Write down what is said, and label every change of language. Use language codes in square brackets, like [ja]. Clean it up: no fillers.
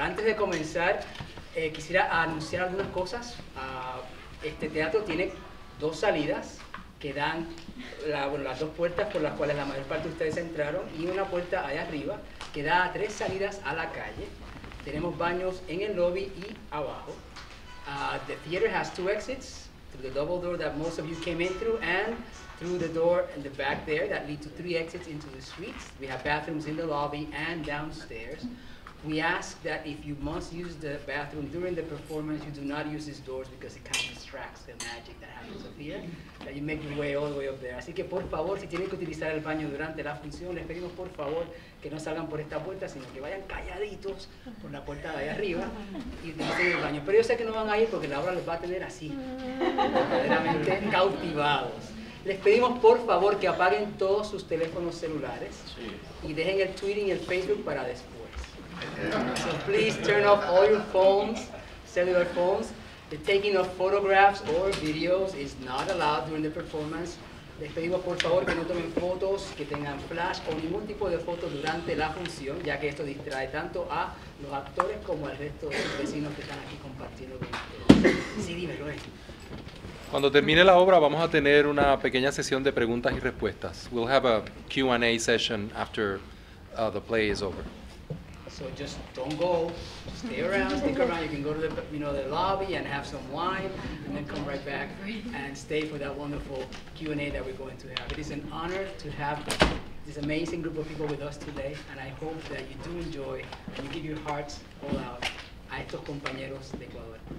[es] Antes de comenzar, quisiera anunciar algunas cosas. Este teatro tiene dos salidas que dan las dos puertas por las cuales la mayor parte de ustedes entraron y una puerta allá arriba que da tres salidas a la calle. Tenemos baños en el lobby y abajo. [en] The theater has two exits, through the double door that most of you came in through and through the door in the back there that lead to three exits into the suites. We have bathrooms in the lobby and downstairs. We ask that if you must use the bathroom during the performance, you do not use these doors because it kind of distracts the magic that happens up here, that you make your way all the way up there. [es] Así que por favor, si tienen que utilizar el baño durante la función, les pedimos por favor que no salgan por esta puerta, sino que vayan calladitos por la puerta de ahí arriba y utilicen el baño. Pero yo sé que no van a ir porque la obra los va a tener así, verdaderamente cautivados. Les pedimos por favor que apaguen todos sus teléfonos celulares y dejen el Twitter y el Facebook para después. [en] So please turn off all your phones, cellular phones. The taking of photographs or videos is not allowed during the performance. [es] Les pedimos por favor que no tomen fotos, que tengan flash o ningún tipo de foto durante la función, ya que esto distrae tanto a los actores como al resto de los vecinos que están aquí compartiendo con ustedes. Sí, dímelo. Cuando termine la obra vamos a tener una pequeña sesión de preguntas y respuestas. [en] We'll have a Q&A session after the play is over. So just don't go, stay around, stick around, you can go to the, you know, the lobby and have some wine and then come right back and stay for that wonderful Q&A that we're going to have. It is an honor to have this amazing group of people with us today and I hope that you do enjoy and you give your hearts all out [es] a estos compañeros de Ecuador.